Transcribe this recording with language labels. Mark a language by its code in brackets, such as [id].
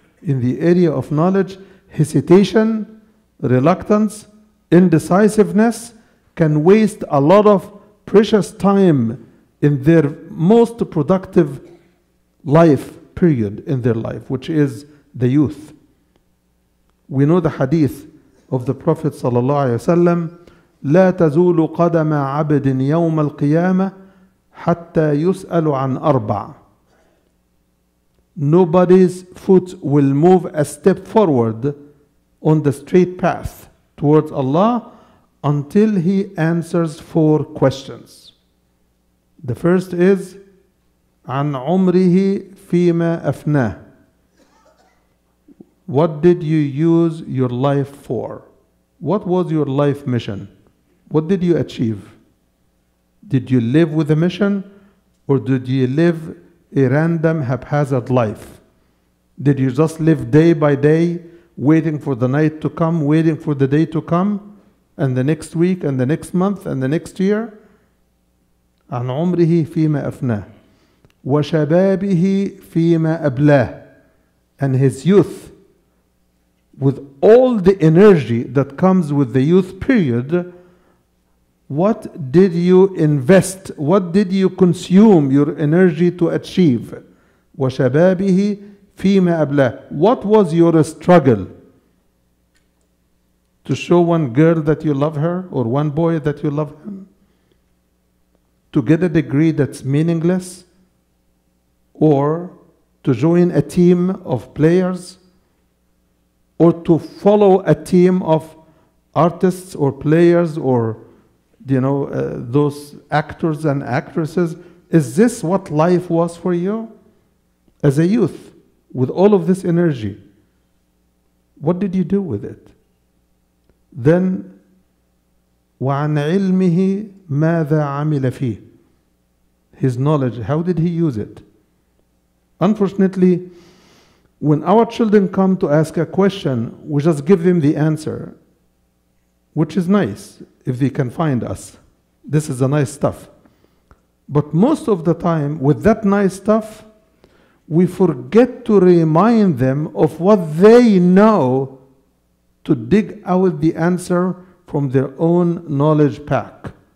[en] In the area of knowledge, hesitation, reluctance, indecisiveness can waste a lot of precious time in their most productive life period in their life, which is the youth. We know the hadith of the Prophet sallallahu alaihi wasallam, [ar] لا تزول قدم عبد يوم القيامة حتى يسأل عن أربع. [en] Nobody's foot will move a step forward on the straight path towards Allah until he answers four questions. The first is [ar] عن عمره فيما أفناه. [en] What did you use your life for? What was your life mission? What did you achieve? Did you live with a mission, or did you live a random haphazard life? Did you just live day by day, waiting for the night to come, waiting for the day to come, and the next week, and the next month, and the next year? [ar] عن عمره فيما أفناه وشبابه فيما أبلاه. [en] And his youth, with all the energy that comes with the youth period, what did you invest? What did you consume your energy to achieve? [ar] وَشَبَابِهِ فِيمَا أَبْلَهِ. [en] What was your struggle? To show one girl that you love her, or one boy that you love him? To get a degree that's meaningless? Or to join a team of players? Or to follow a team of artists or players or those actors and actresses? Is this what life was for you as a youth with all of this energy? What did you do with it? [ar] Then, وَعَنْ عِلْمِهِ مَاذَا عَمِلَ فِيهِ. [en] His knowledge, how did he use it? Unfortunately, when our children come to ask a question, we just give them the answer, which is nice if they can find us. This is the nice stuff. But most of the time, with that nice stuff, we forget to remind them of what they know, to dig out the answer from their own knowledge pack.